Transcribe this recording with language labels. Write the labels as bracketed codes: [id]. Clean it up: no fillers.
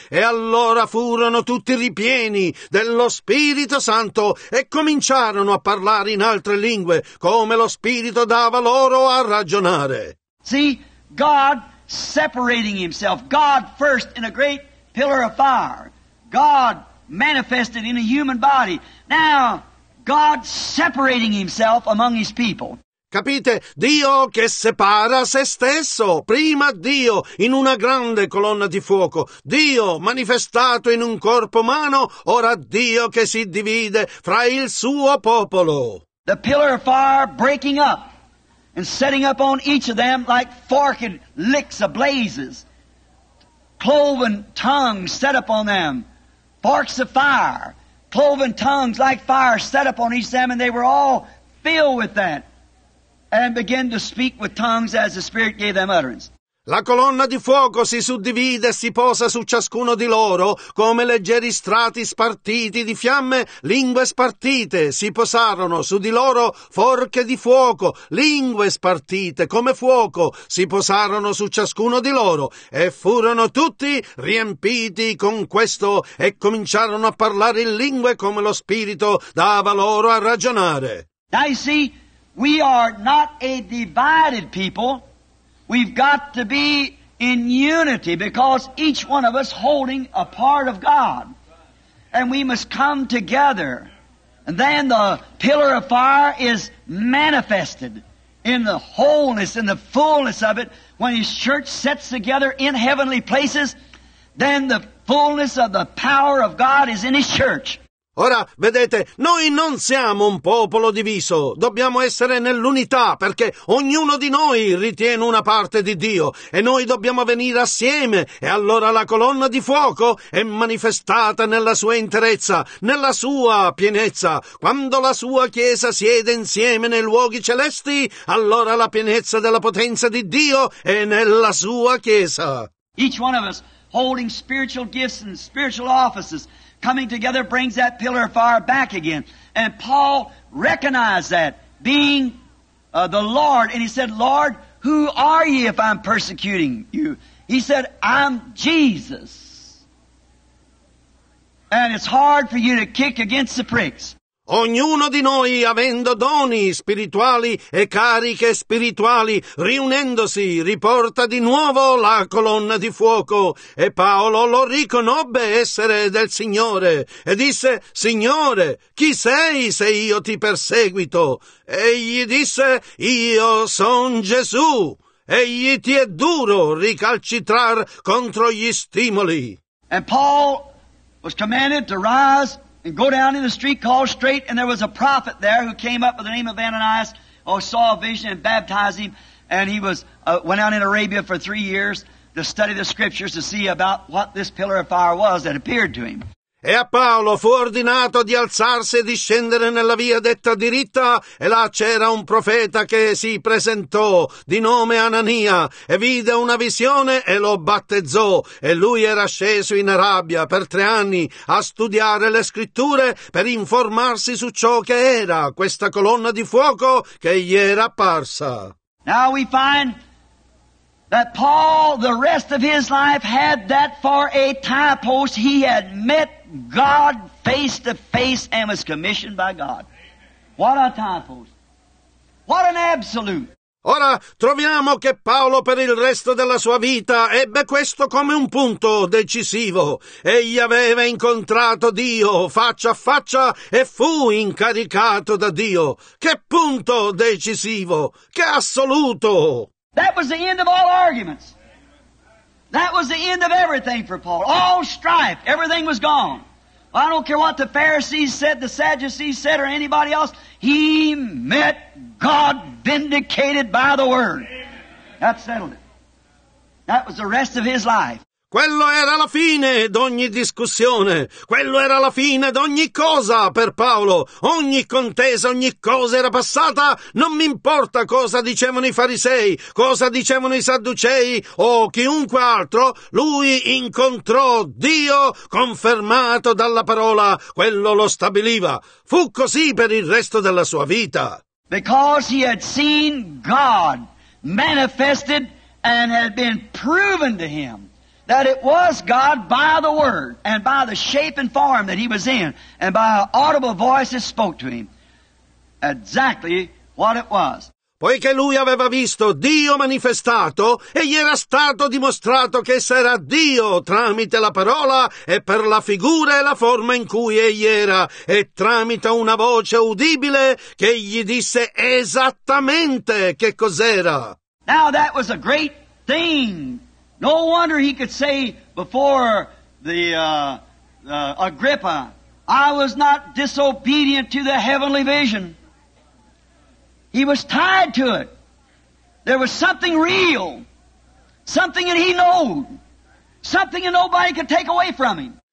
[it] e allora furono tutti ripieni dello Spirito Santo, e cominciarono a parlare in altre lingue, come lo Spirito dava loro a ragionare. [en] See, God separating himself, God first in a great pillar of fire, God manifested in a human body, now God separating himself among his people. [it] Capite? Dio che separa se stesso. Prima Dio in una grande colonna di fuoco. Dio manifestato in un corpo umano, ora Dio che si divide fra il suo popolo. [en] The pillar of fire breaking up and setting up on each of them like forked licks of blazes. Cloven tongues set up on them. Forks of fire. Cloven tongues like fire set up on each of them, and they were all filled with that and began to speak with tongues as the Spirit gave them utterance. [it] La colonna di fuoco si suddivide e si posa su ciascuno di loro come leggeri strati spartiti di fiamme, lingue spartite, si posarono su di loro forche di fuoco, lingue spartite come fuoco, si posarono su ciascuno di loro e furono tutti riempiti con questo e cominciarono a parlare in lingue come lo Spirito dava loro a ragionare. [en] I see, we are not a divided people. We've got to be in unity because each one of us holding a part of God. And we must come together. And then the pillar of fire is manifested in the wholeness, in the fullness of it. When His church sets together in heavenly places, then the fullness of the power of God is in his church. [it] Ora, vedete, noi non siamo un popolo diviso, dobbiamo essere nell'unità, perché ognuno di noi ritiene una parte di Dio, e noi dobbiamo venire assieme, e allora la colonna di fuoco è manifestata nella sua interezza, nella sua pienezza. Quando la sua Chiesa siede insieme nei luoghi celesti, allora la pienezza della potenza di Dio è nella sua Chiesa. [en] Each one of us holding spiritual gifts and spiritual offices coming together brings that pillar of fire back again. And Paul recognized that, being the Lord. And he said, Lord, who are ye if I'm persecuting you? He said, I'm Jesus. And it's hard for you to kick against the pricks. [it] Ognuno di noi, avendo doni spirituali e cariche spirituali, riunendosi, riporta di nuovo la colonna di fuoco. E Paolo lo riconobbe essere del Signore, e disse, Signore, chi sei se io ti perseguito? Egli disse, io son Gesù. Egli ti è duro ricalcitrar contro gli stimoli. [en] And Paul was commanded to rise and go down in the street called Straight, and there was a prophet there who came up with the name of Ananias, or saw a vision and baptized him, and he was went out in Arabia for 3 years to study the scriptures to see about what this pillar of fire was that appeared to him. [it] E a Paolo fu ordinato di alzarsi e di scendere nella via detta diritta, e là c'era un profeta che si presentò, di nome Anania, e vide una visione e lo battezzò. E lui era sceso in Arabia per 3 anni a studiare le scritture per informarsi su ciò che era questa colonna di fuoco che gli era apparsa. [en] Now we find that Paul, the rest of his life, had that for a time post. He had met God face to face and was commissioned by God. What a time post. What an absolute. [it] Ora troviamo che Paolo per il resto della sua vita ebbe questo come un punto decisivo. Egli aveva incontrato Dio faccia a faccia e fu incaricato da Dio. Che punto decisivo! Che assoluto! [en] That was the end of all arguments. That was the end of everything for Paul. All strife, everything was gone. I don't care what the Pharisees said, the Sadducees said, or anybody else. He met God vindicated by the Word. That settled it. That was the rest of his life. [it] Quello era la fine d'ogni discussione, quello era la fine d'ogni cosa per Paolo, ogni contesa, ogni cosa era passata, non mi importa cosa dicevano i farisei, cosa dicevano i sadducei o chiunque altro, lui incontrò Dio confermato dalla parola, quello lo stabiliva. Fu così per il resto della sua vita. [en] Because he had seen God manifested and had been proven to him that it was God by the Word and by the shape and form that he was in and by an audible voice that spoke to him exactly what it was. [it] Poiché lui aveva visto Dio manifestato e gli era stato dimostrato che era Dio tramite la parola e per la figura e la forma in cui egli era e tramite una voce udibile che gli disse esattamente che cos'era. [en] Now that was a great thing. No wonder he could say before the Agrippa, I was not disobedient to the heavenly vision. He was tied to it. There was something real, something that he knew, something that nobody could take away from him.